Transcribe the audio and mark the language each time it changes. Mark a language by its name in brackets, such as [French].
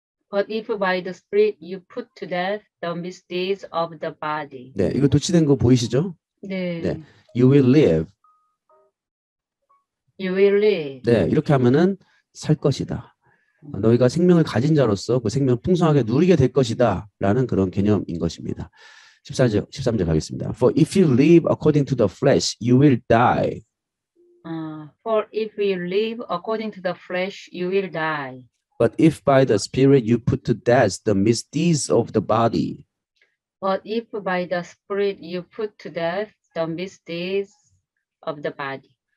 [English] But if by the Spirit you put to death the misdeeds of the body. [Korean] 네, 이거 도치된 거 보이시죠? 네. 네. [English] You will live. You will live. [Korean] 네, 이렇게 하면은 살 것이다. 너희가 생명을 가진 자로서 그 생명을 풍성하게 누리게 될 것이다 라는 그런 개념인 것입니다. 13절 가겠습니다. [English] For if you live according to the flesh, you will die. For if you live according to the flesh, you will die. But if by the Spirit you put to death the misdeeds of the body. But if by the Spirit you put to death the misdeeds of the body.